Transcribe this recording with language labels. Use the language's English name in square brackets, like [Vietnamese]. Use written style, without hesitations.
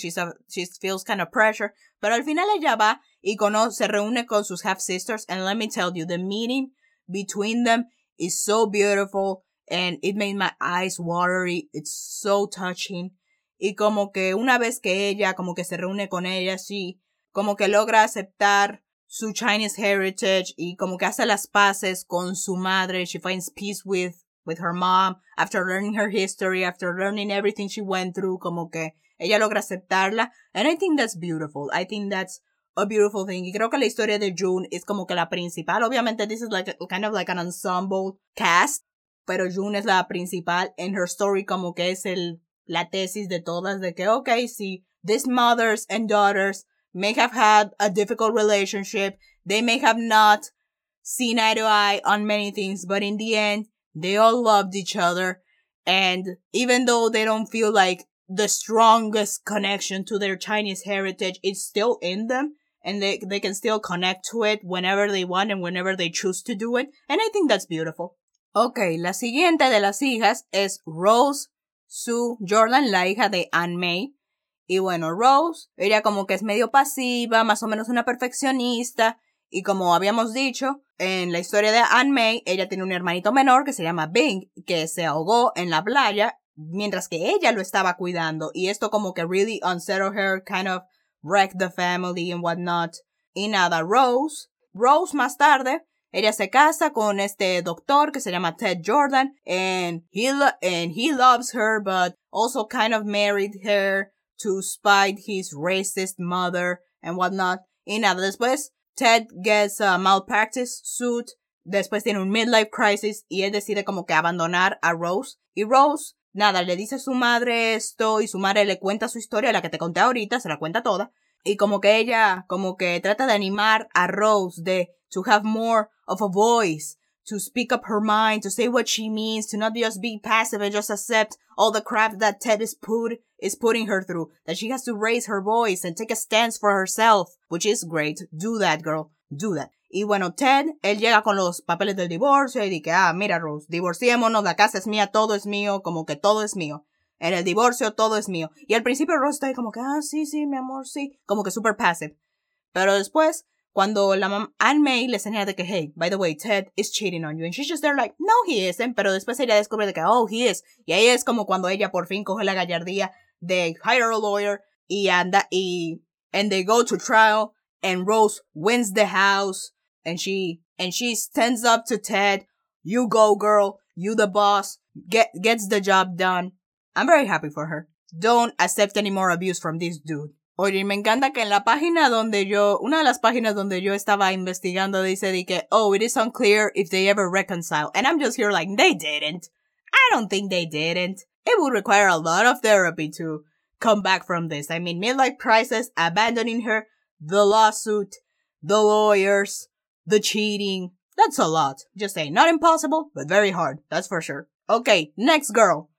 [English] She feels kind of pressure. [Spanish] Pero al final ella va y se reúne con sus half-sisters. [English] And let me tell you, the meeting between them is so beautiful. And it made my eyes watery. It's so touching. [Spanish] Y como que una vez que ella como que se reúne con ella, sí, como que logra aceptar su [English] Chinese heritage [Spanish] y como que hace las paces con su madre. [English] She finds peace with her mom after learning her history, after learning everything she went through. [Spanish] Como que ella logra aceptarla. [English] And I think that's beautiful. I think that's a beautiful thing. [Spanish] Y creo que la historia de Jun es como que la principal. Obviamente, this is like kind of like an ensemble cast. Pero Jun es la principal, [English] and her story [Spanish] como que es la tesis de todas, de que, okay, sí, [English] these mothers and daughters may have had a difficult relationship, They may have not seen eye to eye on many things, but in the end, they all loved each other. And even though they don't feel like the strongest connection to their Chinese heritage, it's still in them. And they can still connect to it whenever they want and whenever they choose to do it. And I think that's beautiful. [Spanish] Okay, la siguiente de las hijas es Rose Sue Jordan, la hija de Aunt May. Y bueno, Rose, ella como que es medio pasiva, más o menos una perfeccionista. Y como habíamos dicho, en la historia de Aunt May, ella tiene un hermanito menor que se llama Bing, que se ahogó en la playa mientras que ella lo estaba cuidando. Y esto como que [English] really unsettled her, kind of wrecked the family and whatnot. [Spanish] Y nada, Rose más tarde, ella se casa con este doctor que se llama Ted Jordan, [English] and he loves her, but also kind of married her to spite his racist mother and whatnot. [Spanish] Y nada, después Ted [English] gets a malpractice suit, [Spanish] después tiene un midlife crisis, y él decide como que abandonar a Rose. Y Rose, nada, le dice a su madre esto, y su madre le cuenta su historia, la que te conté ahorita, se la cuenta toda. Y como que ella, como que trata de animar a Rose de [English] to have more of a voice, to speak up her mind, to say what she means, to not just be passive and just accept all the crap that Ted is putting her through, that she has to raise her voice and take a stance for herself, which is great. Do that, girl. Do that. [Spanish] Y bueno, Ted, él llega con los papeles del divorcio y dice, ah, mira, Rose, divorciémonos, la casa es mía, todo es mío, como que todo es mío. En el divorcio, todo es mío. Y al principio Rose está ahí como que, ah, sí, sí, mi amor, sí. Como que [English] super passive. [Spanish] Pero después, cuando la mamá Aunt May le señala de que, hey, [English] by the way, Ted is cheating on you. And she's just there like, no, he isn't. [Spanish] Pero después ella descubre de que, [English] oh, he is. [Spanish] Y ahí es como cuando ella por fin coge la gallardía de [English] hire a lawyer [Spanish] y anda y... [English] And they go to trial and Rose wins the house. And she stands up to Ted. You go, girl. You the boss. Gets the job done. I'm very happy for her. Don't accept any more abuse from this dude. [Spanish] Oye, me encanta que en la página donde yo, una de las páginas donde yo estaba investigando, dice de que, oh, it is unclear if they ever reconcile. [English] And I'm just here like, they didn't. I don't think they didn't. It would require a lot of therapy to come back from this. I mean, midlife crisis, abandoning her, the lawsuit, the lawyers, the cheating. That's a lot. Just saying, not impossible, but very hard. That's for sure. Okay, next girl.